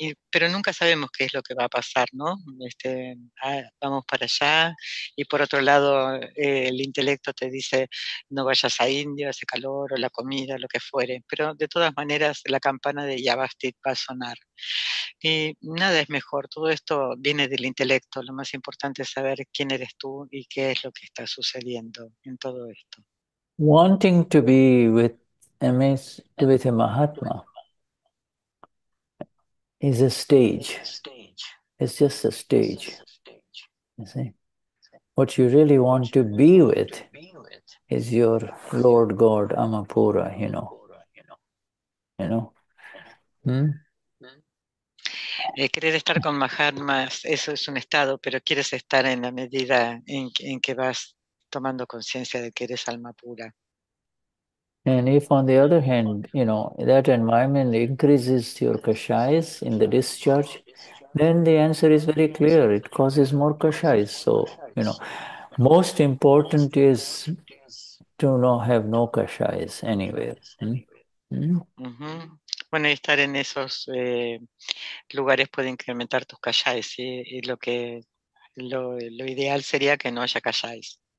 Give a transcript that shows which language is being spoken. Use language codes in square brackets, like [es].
[es] Pero nunca sabemos qué es lo que va a pasar, ¿no? Vamos para allá y por otro lado el intelecto te dice no vayas a India, hace calor o la comida, lo que fuere. Pero de todas maneras la campana de Yavastit va a sonar. Y nada es mejor, todo esto viene del intelecto. Lo más importante es saber quién eres tú y qué es lo que está sucediendo en todo esto. [en] Wanting to be with a Mahatma is a stage. It's just a stage. You see? What you really want to be with is your Lord God, Amapura, you know. You know? [es] Querer estar con Mahatmas, eso es un estado, pero quieres estar en la medida en que vas tomando conciencia de que eres alma pura. [en] And if, on the other hand, you know, that environment increases your kashas in the discharge, then the answer is very clear. It causes more kashas. So, you know, most important is to not have no kashas anywhere. [es] Bueno, estar en esos lugares puede incrementar tus kashas, ¿sí? Y lo que lo ideal sería que no haya kashas.